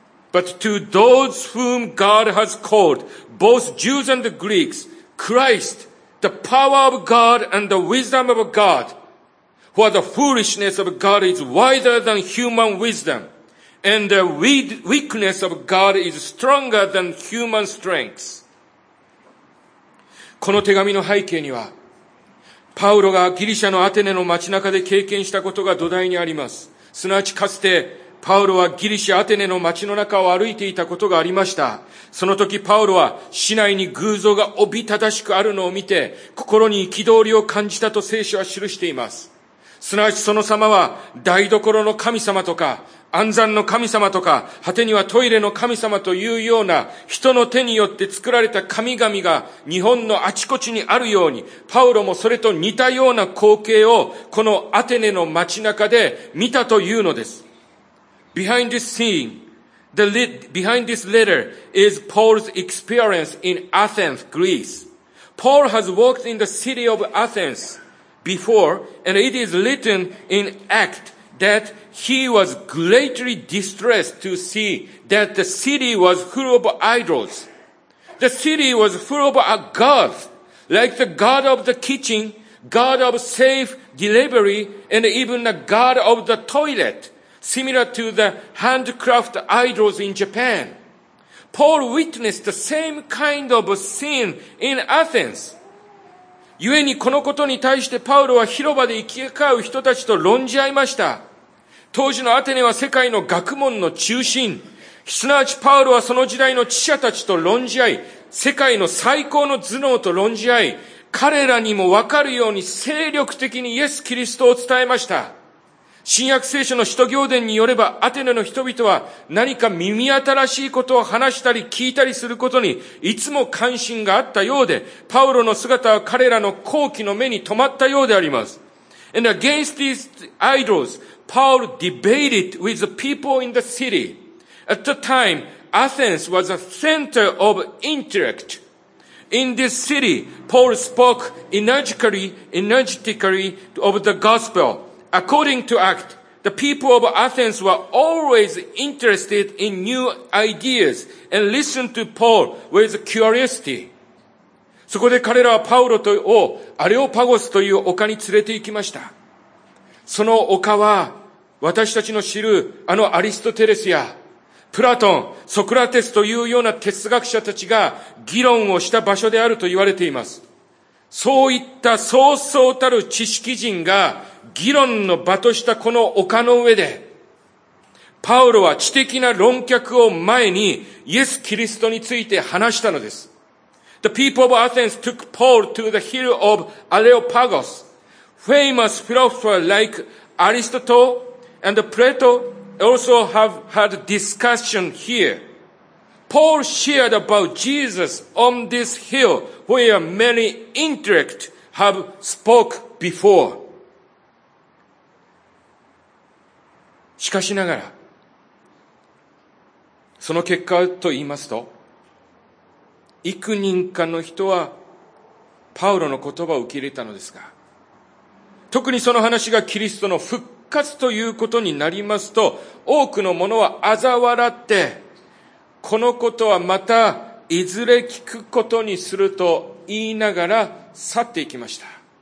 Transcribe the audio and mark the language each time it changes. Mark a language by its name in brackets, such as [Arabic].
[English] But to those whom God has called, both Jews and the Greeks, Christ, the power of God and the wisdom of God,For the foolishness of God is wiser than human wisdom, and the weakness of God is stronger than human strength. [Japanese] この手紙の背景には、パウロがギリシャのアテネの街中で経験したことが土台にあります。すなわちかつて、パウロはギリシャアテネの街の中を歩いていたことがありました。その時パウロは市内に偶像がおびただしくあるのを見て、心に憤りを感じたと聖書は記しています。すなわちその様は台所の神様とか安産の神様とか果てにはトイレの神様というような人の手によって作られた神々が日本のあちこちにあるようにパウロもそれと似たような光景をこのアテネの街中で見たというのです。 [English] Behind this scene, behind this letter is Paul's experience in Athens, Greece. Paul has walked in the city of AthensBefore, and it is written in Acts that he was greatly distressed to see that the city was full of idols. The city was full of a god, like the god of the kitchen, god of safe delivery, and even the god of the toilet, similar to the handcraft idols in Japan. Paul witnessed the same kind of scene in Athens. [Japanese] 故にこのことに対してパウロは広場で行き交う人たちと論じ合いました。当時のアテネは世界の学問の中心。すなわちパウロはその時代の知者たちと論じ合い、世界の最高の頭脳と論じ合い、彼らにも分かるように精力的にイエス・キリストを伝えました。新約聖書の使徒行伝によれば、アテネの人々は何か耳新しいことを話したり聞いたりすることにいつも関心があったようで、パウロの姿は彼らの好奇の目に留まったようであります。 [English] And against these idols, Paul debated with the people in the city. At the time, Athens was a center of intellect. In this city, Paul spoke energetically of the gospel. According to Act, the people of Athens were always interested in new ideas and listened to Paul with curiosity. [Japanese] そこで彼らはパウロをアレオパゴスという丘に連れて行きました。その丘は私たちの知るあのアリストテレスやプラトン、ソクラテスというような哲学者たちが議論をした場所であると言われています。そういったそうそうたる知識人が議論の場としたこの丘の上で、パウロは知的な論客を前にイエス・キリストについて話したのです。 [English] The people of Athens took Paul to the hill of Areopagus. Famous philosophers like Aristotle and Plato also have had discussion here. Paul shared about Jesus on this hill where many intellect have spoke before. [Japanese] しかしながら、その結果と言いますと、幾人かの人はパウロの言葉を受け入れたのですが、特にその話がキリストの復活ということになりますと、多くの者は嘲笑って、このことはまたいずれ聞くことにすると言いながら去っていきました。